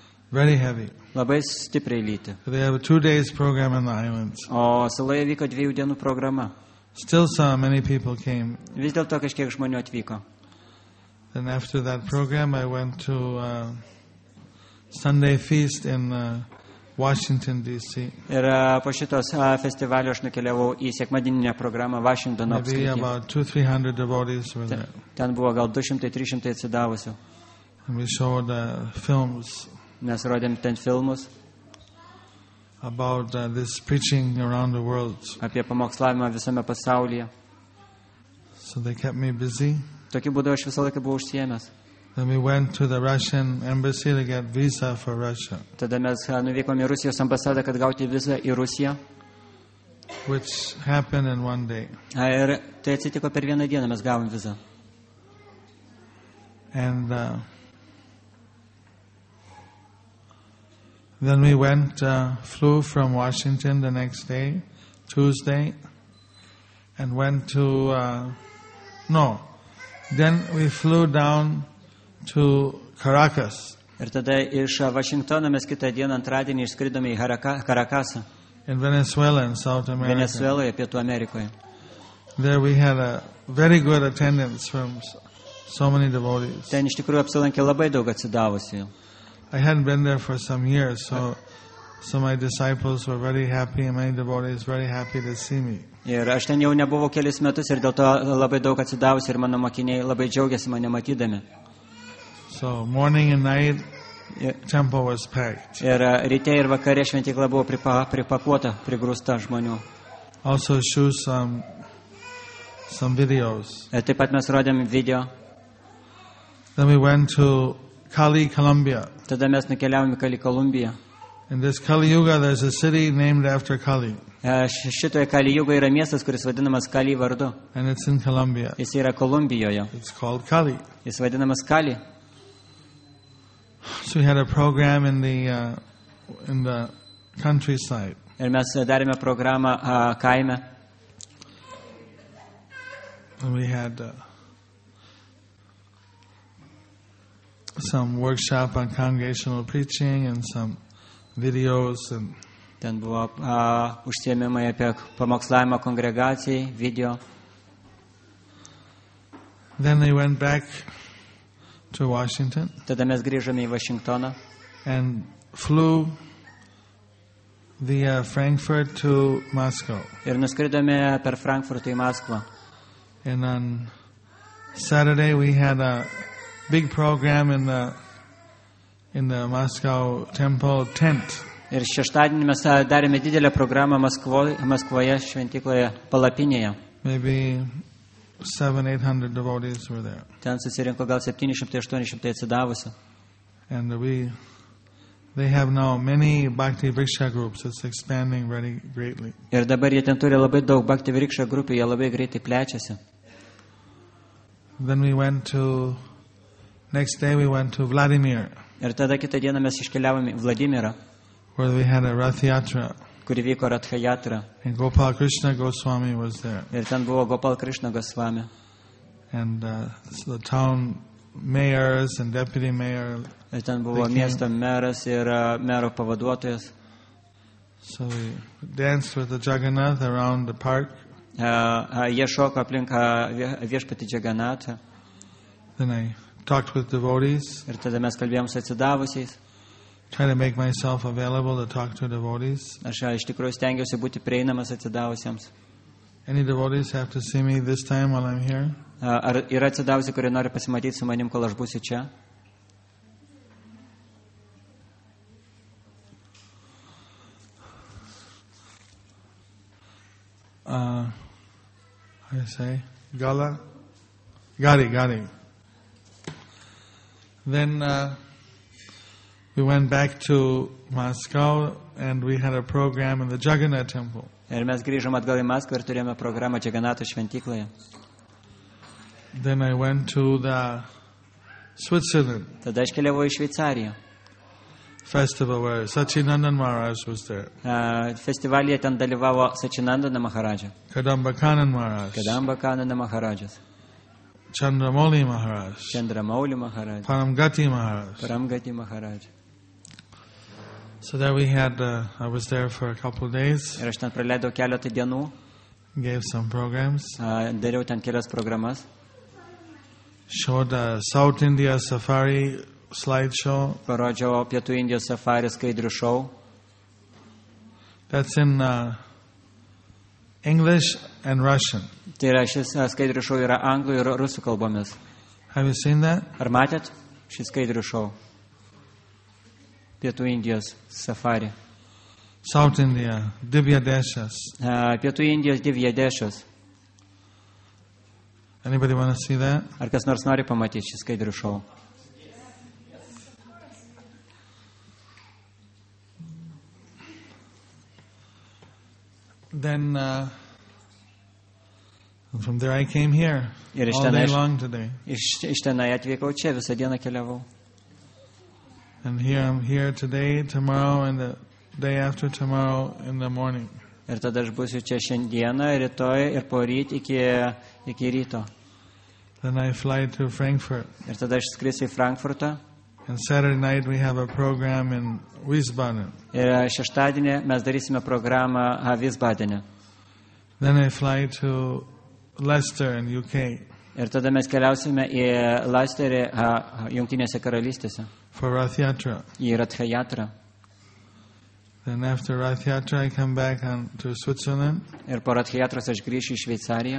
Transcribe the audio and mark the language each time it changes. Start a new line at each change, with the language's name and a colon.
English: Very heavy.
Lithuanian: Labai stipriai lyti.
English: They have a 2 days program in the islands.
Lithuanian: O saloje vyko 2 dienų programa.
English: Still saw many people came.
Lithuanian: Vis dėlto kažkiek žmonių atvyko.
English: Then after that program I went to Sunday feast in Washington D.C.
Lithuanian: Ir po šitos festivalio aš nukeliavau į sekmadieninę programą Vašingtono apskrityje.
English: Maybe about 200-300 devotees were there.
Lithuanian: Ten buvo gal 200-300 atsidavusių.
English: And we showed films.
Lithuanian: Mes rodėm ten filmus.
English: About this preaching around the world.
Lithuanian: Apie pamokslavimą visame pasaulyje.
English: So they kept me busy.
Lithuanian: Tokiu būdu aš visą laiką buvau užsiėmęs.
English: Then we went to the Russian embassy to get visa for Russia.
Lithuanian: Tada mes nuvykome į Rusijos ambasadą, kad gauti vizą į Rusiją.
English: Which happened in one day.
Lithuanian: Ir tai atsitiko per vieną dieną, mes gavom vizą.
English: And then we went, flew from Washington the next day, Tuesday, and went to, then we flew down to Caracas.
Lithuanian: Ir tada iš Vašingtono mes kitą dieną antradienį išskridome į Caracasą.
English: In Venezuela, in South America.
Lithuanian: Venezueloje, Pietų Amerikoje.
English: There we had a very good attendance from so many devotees.
Lithuanian: Ten iš tikrųjų apsilankė labai daug atsidavusių.
English: I hadn't been there for some years, so my disciples were very happy and many devotees very happy to see me.
Lithuanian: Ir aš ten jau nebuvau kelis metus ir dėl to labai daug atsidavusių ir mano mokiniai labai džiaugiasi mane matydami.
English: So morning and night temple was packed.
Lithuanian: Ir ryte ir vakare šventykla buvo pripakuota, prigrūsta žmonių.
English: Also show some videos.
Lithuanian: Taip pat mes rodėm video.
English: Then we went to Cali, Colombia.
Lithuanian: Tada mes nukeliavome į Cali, Kolumbiją.
English: In this Kali Yuga there's a city named after Kali.
Lithuanian: Šitoje Kali Yuga yra miestas, kuris vadinamas Kali vardu.
English: And it's in Colombia.
Lithuanian: Jis yra Kolumbijoje.
English: It's called Kali.
Lithuanian: Jis vadinamas Kali.
English: So we had a program in the countryside.
Lithuanian: Ir mes darėme programą kaime.
English: And we had some workshop on congregational preaching and some videos and
Lithuanian: ten buvo užsiėmimai apie pamokslavimą kongregacijai, video.
English: Then they went back to Washington.
Lithuanian: Tada mes grįžome į Vašingtoną.
English: And flew via Frankfurt to Moscow.
Lithuanian: Ir nuskridome per Frankfurtą į Maskvą.
English: And on Saturday we had a big program in the Moscow temple tent.
Lithuanian: Ir šeštadienį mes darėme didelę programą Maskvoje šventykloje palapinėje.
English: Maybe 700-800 devotees were there.
Lithuanian: Ten susirinko gal 700-800 atsidavusių.
English: And they have now many bhakti riksha groups. It's expanding very greatly.
Lithuanian: Ir dabar jie ten turi labai daug bhakti riksha grupių, jie labai greitai plečiasi.
English: Then we went to Next day we went to Vladimir.
Lithuanian: Ir tada kitą dieną mes iškeliavome į Vladimirą.
English: Where we had a Rath Yatra.
Lithuanian: Kur vyko Ratha Yatra.
English: And Gopal Krishna Goswami was there.
Lithuanian: Ir ten buvo Gopal Krishna Goswami.
English: And so the town mayors and deputy mayor.
Lithuanian: Ir ten buvo miesto meras ir mero pavaduotojas.
English: So we danced with the Jagannath around the park.
Lithuanian: Jie šoko aplink viešpatį Jagannatą.
English: Then I talked with devotees.
Lithuanian: Ir tada mes kalbėjom su atsidavusiais.
English: Trying to make myself available to talk to devotees.
Lithuanian: Aš iš tikrųjų stengiuosi būti prieinamas atsidavusiems.
English: Any devotees have to see me this time while I'm here?
Lithuanian: Ar yra atsidavusi, kurie nori pasimatyti su manim, kol aš būsiu čia?
English: How do you say? Gala? Gari. Then we went back to Moscow and we had a program in the Jagannath temple.
Lithuanian: Ir mes grįžom atgal į Maskvą ir turėjome programą Jagannatho šventykloje.
English: Then I went to the Switzerland.
Lithuanian: Tada aš keliavau į Šveicariją.
English: Festival where Sachinandan Maharaj was there.
Lithuanian: Festivalyje ten dalyvavo Sachinandana Maharaja.
English: Kadambakanan Maharaj.
Lithuanian: Kadambakanana Maharaj.
English: Chandramouli Maharaj.
Lithuanian: Chandramouli Maharaj.
English: Paramgati Maharaj.
Lithuanian: Paramgati Maharaj.
English: So there we had I was there for a couple of days.
Lithuanian: Ir aš ten praleidau keletą dienų.
English: Gave some programs.
Lithuanian: Dariau ten kelias programas.
English: Showed a South India safari slideshow.
Lithuanian: Parodžiau Pietų Indijos safari skaidrių show.
English: That's in English and Russian.
Lithuanian: Tai yra, šis skaidrių show yra anglų ir rusų kalbomis.
English: Have you seen that?
Lithuanian: Ar matėt šis skaidrių show? Pietų Indijos safari.
English: South India, Divya Deshas.
Lithuanian: Pietų Indijos Divya Deshas.
English: Anybody want to see that?
Lithuanian: Ar kas nors nori pamatyti šį skaidrių show?
English: Then from there I came here all day long today.
Lithuanian: Iš tenai atvykau čia, visą dieną keliavau.
English: And here I'm here today, tomorrow, and the day after tomorrow in the morning.
Lithuanian: Ir tada aš būsiu čia šiandieną, rytoj ir poryt iki ryto.
English: Then I fly to Frankfurt.
Lithuanian: Ir tada aš skrisiu į Frankfurtą.
English: And Saturday night we have a program in Wiesbaden.
Lithuanian: Ir šeštadienį mes darysime programą Wiesbadene.
English: Then I fly to Leicester in UK.
Lithuanian: Ir tada mes keliausime į Leicesterį Jungtinėse karalystėse.
English: For Rath Yatra.
Lithuanian: Į Rath Yatra.
English: Then after Rath Yatra I come back to Switzerland.
Lithuanian: Ir po Rath Yatros aš grįšiu į Šveicariją.